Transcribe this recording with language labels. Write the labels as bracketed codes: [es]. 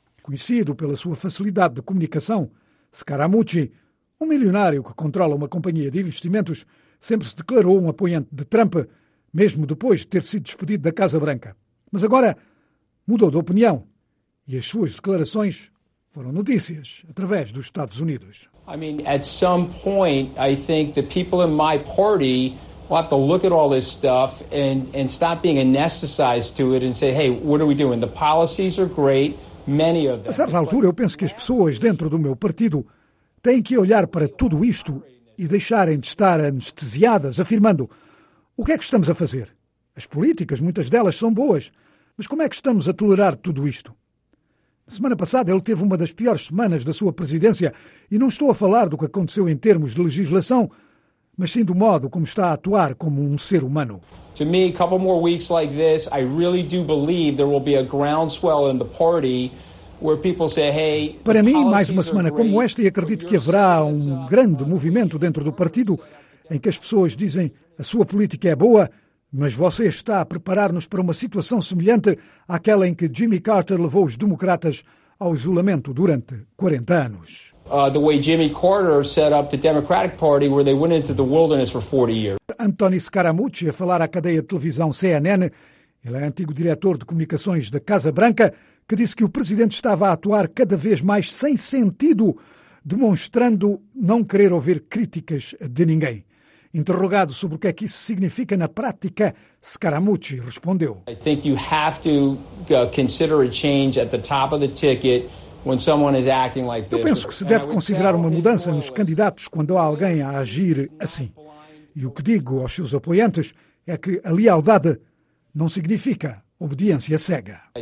[pt] Conhecido pela sua facilidade de comunicação, Scaramucci, um milionário que controla uma companhia de investimentos, sempre se declarou um apoiante de Trump, mesmo depois de ter sido despedido da Casa Branca. Mas agora mudou de opinião. E as suas declarações foram notícias através dos Estados Unidos. [en] I mean, at some point, I think the people in my party will have to look at all this stuff and stop being anesthetized to it and say, hey, what are we doing? The policies are great, many of them. [pt] A certa altura, eu penso que as pessoas dentro do meu partido têm que olhar para tudo isto e deixarem de estar anestesiadas, afirmando: o que é que estamos a fazer? As políticas, muitas delas são boas, mas como é que estamos a tolerar tudo isto? Semana passada ele teve uma das piores semanas da sua presidência e não estou a falar do que aconteceu em termos de legislação, mas sim do modo como está a atuar como um ser humano. [en] To me, a couple more weeks like this, I really do believe there will be a groundswell in the party where people say, hey. [pt] Para mim, mais uma semana como esta e acredito que haverá um grande movimento dentro do partido em que as pessoas dizem a sua política é boa. Mas você está a preparar-nos para uma situação semelhante àquela em que Jimmy Carter levou os democratas ao isolamento durante 40 anos. [en] The way Jimmy Carter set up the Democratic Party where they went into the wilderness for 40 years. [pt] Anthony Scaramucci a falar à cadeia de televisão CNN, ele é antigo diretor de comunicações da Casa Branca, que disse que o presidente estava a atuar cada vez mais sem sentido, demonstrando não querer ouvir críticas de ninguém. Interrogado sobre o que é que isso significa na prática, Scaramucci respondeu: [en] I think you have to consider a change at the top of the ticket. [pt] Eu penso que se deve considerar uma mudança nos candidatos quando há alguém a agir assim. E o que digo aos seus apoiantes é que a lealdade não significa obediência cega.